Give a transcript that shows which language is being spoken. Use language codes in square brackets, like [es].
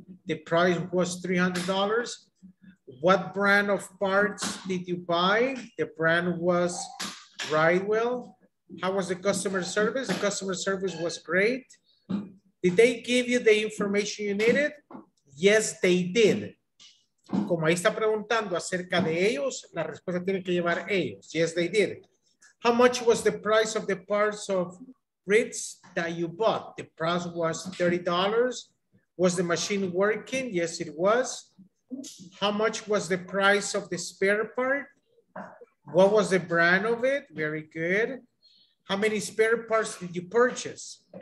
[en] The price was $300. What brand of parts did you buy? The brand was Ridewell. How was the customer service? The customer service was great. Did they give you the information you needed? Yes, they did. [es] Como ahí está preguntando acerca de ellos, la respuesta tiene que llevar ellos. [en] Yes, they did. How much was the price of the parts of Ritz that you bought? The price was $30. Was the machine working? Yes, it was. How much was the price of the spare part? What was the brand of it? Very good. How many spare parts did you purchase?